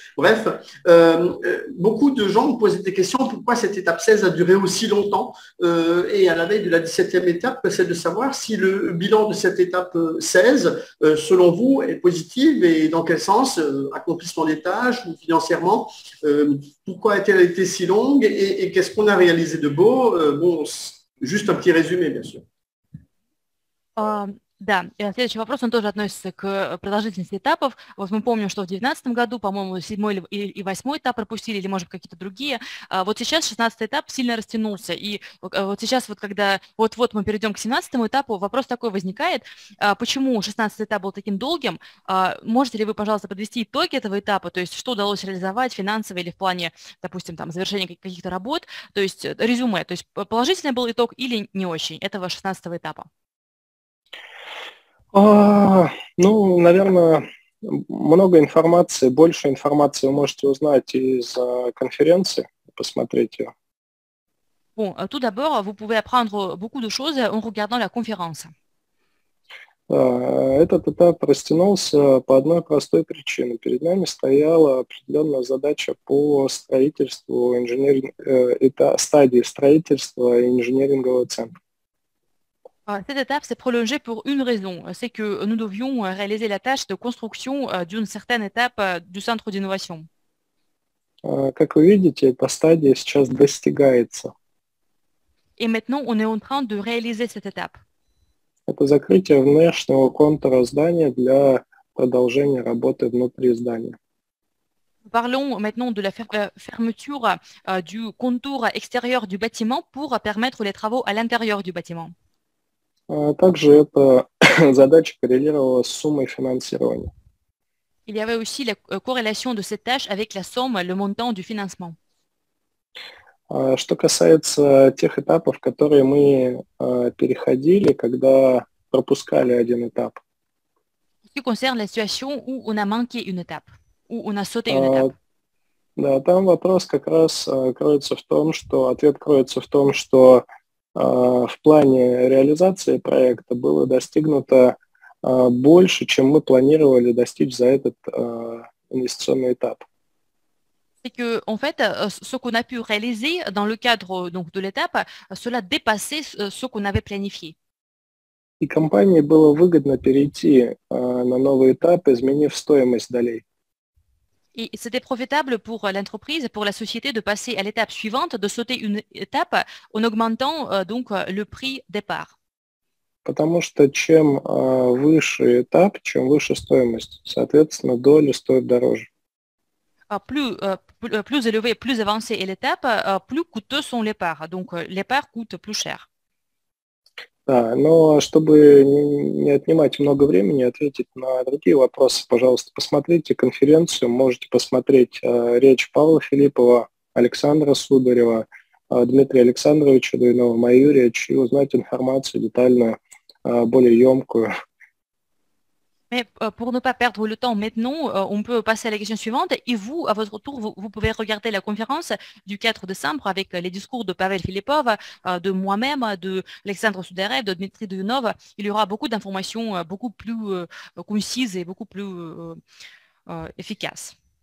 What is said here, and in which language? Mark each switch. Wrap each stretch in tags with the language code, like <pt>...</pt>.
<fr>Bref, beaucoup de gens me posaient des questions, pourquoi cette étape 16 a duré aussi longtemps, et à la veille de la 17e étape, c'est de savoir si le bilan de cette étape 16, selon vous, est positif et dans quel sens, accomplissement des tâches ou financièrement, pourquoi a-t-elle été si longue et qu'est-ce qu'on a réalisé de beau? Bon, juste un petit résumé, bien sûr.</fr> <ru>Да, и следующий вопрос, он тоже относится к продолжительности этапов. Вот мы помним, что в 2019 году, по-моему, 7-й и 8-й этап пропустили, или, может, какие-то другие. А вот сейчас 16-й этап сильно растянулся. И вот сейчас, вот когда вот-вот мы перейдем к 17-му этапу, вопрос такой возникает. А почему 16-й этап был таким долгим? А можете ли вы, пожалуйста, подвести итоги этого этапа? То есть что удалось реализовать финансово или в плане, допустим, там, завершения каких-то работ? То есть резюме. То есть положительный был итог или не очень этого 16-го этапа? Ну, наверное, много информации, больше информации вы можете узнать из конференции, посмотреть ее.</ru> <fr>Bon, tout d'abord, vous pouvez apprendre beaucoup de choses en regardant la conférence.</fr> <ru>Этот этап растянулся по одной простой причине. Перед нами стояла определенная задача по строительству стадии строительства инжинирингового центра.</ru> <fr>Cette étape s'est prolongée pour une raison, c'est que nous devions réaliser la tâche de construction d'une certaine étape du centre d'innovation.</fr> <ru>Как вы видите, эта стадия сейчас достигается.</ru> <fr>Et maintenant, on est en train de réaliser cette étape.</fr> <ru>Это закрытие внешнего контура здания для продолжения работы внутри здания.</ru> <fr>Parlons maintenant de la fermeture du contour extérieur du bâtiment pour permettre les travaux à l'intérieur du bâtiment.</fr> <ru>Также эта задача коррелировала с суммой финансирования.</ru> <fr>Il y avait aussi la corrélation de cette tâche avec la somme, le montant du financement.</fr> <ru>Что касается тех этапов, которые мы переходили, когда пропускали один этап.</ru> <fr>Qui concerne la situation où on a manqué une étape, où on a sauté une étape.</fr> <ru>Да, там вопрос как раз кроется в том, что ответ кроется в том, что в плане реализации проекта было достигнуто больше, чем мы планировали достичь за этот инвестиционный этап.</ru> <fr>C'est que, en fait, ce qu'on a pu réaliser dans le cadre donc, de l'étape, cela dépassait ce qu'on avait planifié.</fr> <ru>И компании было выгодно перейти на новый этап, изменив стоимость долей.</ru> <fr>Et c'était profitable pour l'entreprise, pour la société, de passer à l'étape suivante, de sauter une étape en augmentant donc le prix départ.</fr> <ru>Потому что чем выше этап, чем выше стоимость, соответственно, доля стоит дороже.</ru> <fr>Plus élevé, plus avancé est l'étape, plus coûteux sont les parts. Donc les parts coûtent plus cher.</fr> <ru>Да, но чтобы не отнимать много времени, ответить на другие вопросы, пожалуйста, посмотрите конференцию, можете посмотреть речь Павла Филиппова, Александра Сударева, Дмитрия Александровича Дуйнова, мою речь, и узнать информацию детальную, более емкую.</ru> <fr>Mais pour ne pas perdre le temps maintenant, on peut passer à la question suivante. Et vous, à votre tour, vous pouvez regarder la conférence du 4 décembre avec les discours de Pavel Filipov, de moi-même, de Alexandre Sudarev, de Dmitri Dunov. Il y aura beaucoup d'informations beaucoup plus concises et beaucoup plus efficaces.</fr>